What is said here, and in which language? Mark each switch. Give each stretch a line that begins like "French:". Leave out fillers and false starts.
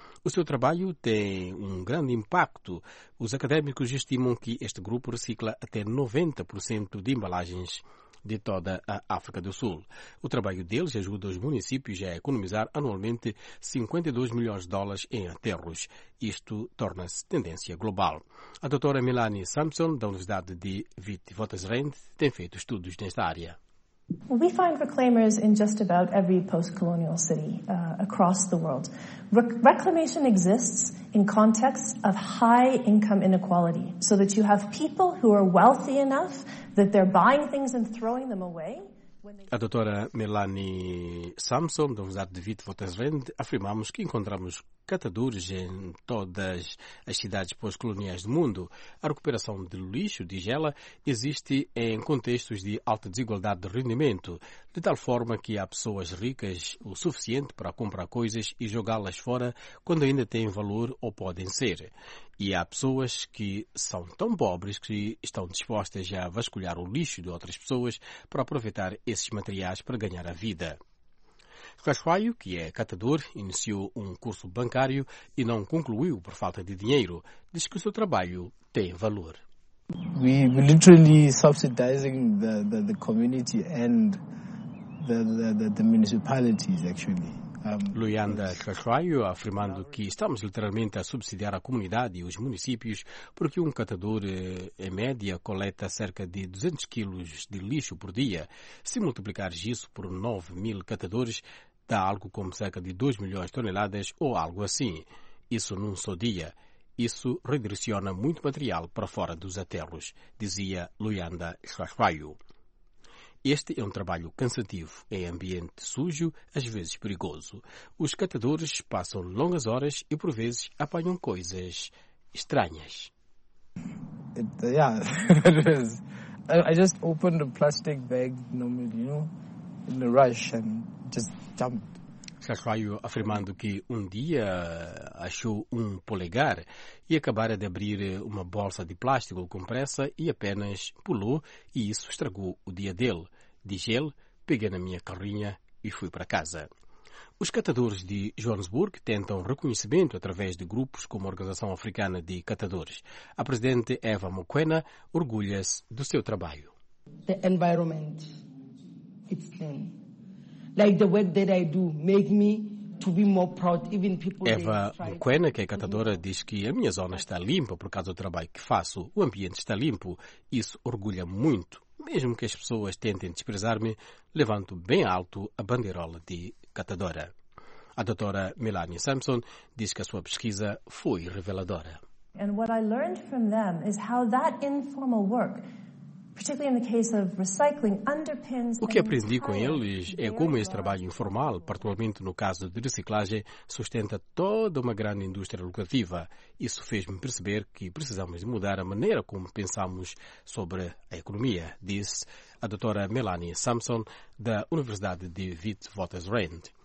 Portuguese: O seu trabalho tem um grande impacto. Os académicos estimam que este grupo recicla até 90% de embalagens de toda a África do Sul. O trabalho deles ajuda os municípios a economizar anualmente 52 milhões de dólares em aterros. Isto torna-se tendência global. A doutora Melanie Sampson, da Universidade de Witwatersrand, tem feito estudos nesta área.
English: We find reclaimers in just about every post-colonial city across the world. Reclamation exists in contexts of high income inequality, so that you have people who are wealthy enough that they're buying things and throwing them away.
Portuguese: A doutora Melanie Sampson, da Universidade de Witwatersrand, afirmamos que encontramos catadores em todas as cidades pós-coloniais do mundo. A recuperação de lixo, diz ela, existe em contextos de alta desigualdade de rendimento, de tal forma que há pessoas ricas o suficiente para comprar coisas e jogá-las fora quando ainda têm valor ou podem ser. E há pessoas que são tão pobres que estão dispostas a vasculhar o lixo de outras pessoas para aproveitar esses materiais para ganhar a vida. Cachoaio, que é catador, iniciou um curso bancário e não concluiu por falta de dinheiro. Diz que o seu trabalho tem valor.
English: We literally subsidizing the community and the municipalities actually.
Portuguese: Luyanda Cachoaio afirmando que estamos literalmente a subsidiar a comunidade e os municípios, porque um catador, em média, coleta cerca de 200 kg de lixo por dia. Se multiplicares isso por 9 mil catadores, dá algo como cerca de 2 milhões de toneladas ou algo assim. Isso num só dia. Isso redireciona muito material para fora dos aterros, dizia Luyanda Cachoaio. Este é um trabalho cansativo, em ambiente sujo, às vezes perigoso. Os catadores passam longas horas e, por vezes, apanham coisas estranhas.
English: I just opened a plastic bag, normally, you know, in a rush and just jumped.
Portuguese: Cachoaio afirmando que um dia achou um polegar e acabara de abrir uma bolsa de plástico com pressa e apenas pulou e isso estragou o dia dele. Diz ele, peguei na minha carrinha e fui para casa. Os catadores de Joanesburgo tentam reconhecimento através de grupos como a Organização Africana de Catadores. A presidente Eva Mokwena orgulha-se do seu trabalho.
English: The environment, it's clean. Like the work that I do make me to be more proud. Even people
Portuguese: Eva Mokwena, que é catadora, diz que a minha zona está limpa por causa do trabalho que faço. O ambiente está limpo. Isso orgulha muito. Mesmo que as pessoas tentem desprezar-me, levanto bem alto a bandeirola de catadora. A doutora Melanie Sampson diz que a sua pesquisa foi reveladora.
English: And what I learned from them is how that informal work, particularly in the case of recycling, underpins.
Portuguese: O que aprendi com eles é como esse trabalho informal, particularmente no caso de reciclagem, sustenta toda uma grande indústria lucrativa. Isso fez-me perceber que precisamos mudar a maneira como pensamos sobre a economia, disse a doutora Melanie Sampson, da Universidade de Witwatersrand.